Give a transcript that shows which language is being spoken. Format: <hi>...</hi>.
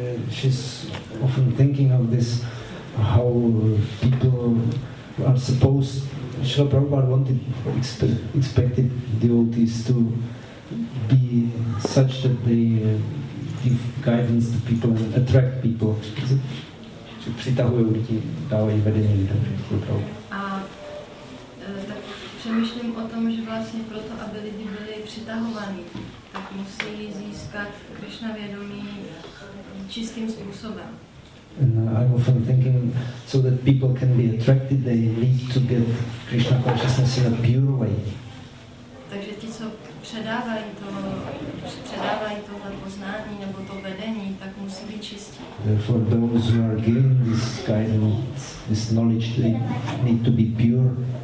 <en>She's often thinking of this, how people are supposed. Srila Prabhupada wanted, expected devotees to be such that they give guidance to people and attract people.</en> <cs>Že přitahuje lidi, dávají vedení lidem. A tak přemýšlím o tom, že vlastně proto, aby lidi byli přitahovaní, tak musí získat Krishna vědomí čistým způsobem.</cs> <en>And I'm often thinking, so that people can be attracted, they need to build Krishna consciousness in a pure way.</en> <cs>Takže ti, co předávají tohle poznání nebo to vedení, tak musí být čistí.</cs> <en>Therefore, those who are given this guidance, this knowledge, they need to be pure.</en>